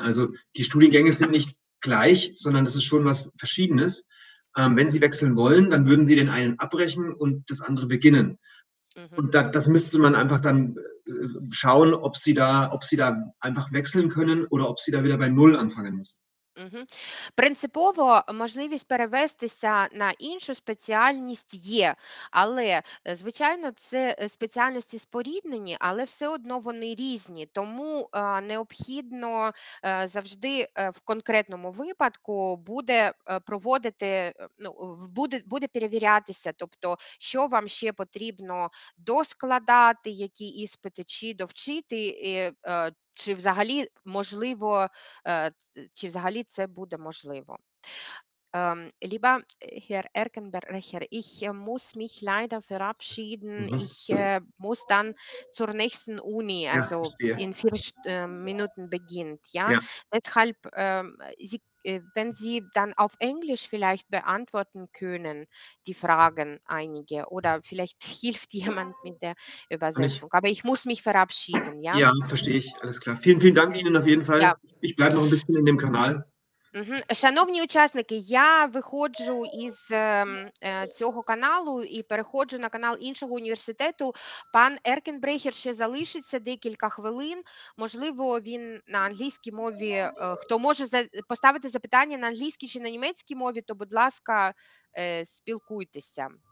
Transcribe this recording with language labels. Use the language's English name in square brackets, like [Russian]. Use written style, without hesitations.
[German] Also die Studiengänge sind nicht gleich, sondern es ist schon was Verschiedenes. Wenn Sie wechseln wollen, dann würden Sie den einen abbrechen und das andere beginnen. Und das müsste man einfach dann schauen, ob Sie da einfach wechseln können oder ob Sie da wieder bei Null anfangen müssen. [Ukrainian] Принципово можливість перевестися на іншу спеціальність є, але звичайно це спеціальності споріднені, але все одно вони різні, тому необхідно завжди в конкретному випадку буде проводити, ну, буде перевірятися, тобто що вам ще потрібно доскладати, які іспити чи довчити, і чи взагалі можливо, чи взагалі це буде можливо. [German] Lieber Herr Erkenbrecher, ich muss mich leider verabschieden. Ich muss dann zur nächsten Uni, also ja, in 4 Minuten beginnt. Ja? Ja. Deshalb, wenn Sie dann auf Englisch vielleicht beantworten können, die Fragen einige, oder vielleicht hilft jemand mit der Übersetzung. Aber ich muss mich verabschieden. Ja, ja, verstehe ich. Alles klar. Vielen, vielen Dank Ihnen auf jeden Fall. Ja. Ich bleibe noch ein bisschen in dem Kanal. [Ukrainian] Шановні учасники, я виходжу із цього каналу і переходжу на канал іншого університету. Пан Еркенбрехер ще залишиться декілька хвилин. Можливо, він на англійській мові, хто може поставити запитання на англійській чи на німецькій мові, то, будь ласка, спілкуйтеся.